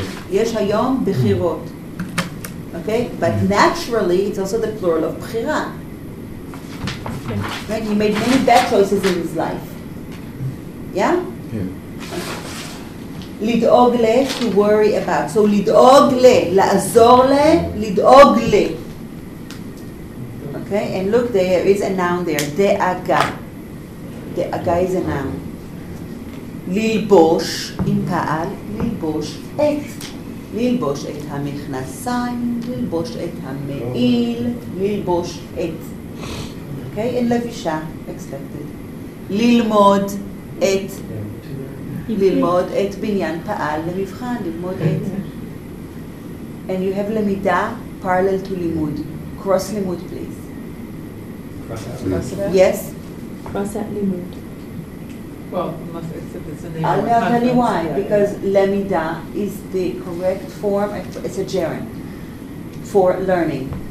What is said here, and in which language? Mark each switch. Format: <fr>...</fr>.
<he>Yesh hayom b'chirot.</he> <en>Okay, but naturally, it's also the plural of b'chira. Right, he made many bad choices in his life. Yeah? Yeah.</en> <he>לדאוג ל,</he> <en>to worry about.</en> <he>So לדאוג ל, לעזור ל, לדאוג ל.</he> <en>Okay, and look, there is a noun there. דאגה. דאגה is a noun.</en> <he>ללבוש, אם פעל, ללבוש את. ללבוש את המכנסיים, ללבוש את המעיל, ללבוש את.</he> <en>Okay, in לבישה, expected.</en> <he>ללמוד את. ללמוד את בניין פעל למבחן, ללמוד את.</he> <en>And you have למידה parallel to לימוד. Cross לימוד, please. Yes? Cross at לימוד. Well, unless it's a name. I'll tell you why. Because Lemida is the correct form, it's a gerund for learning.</en>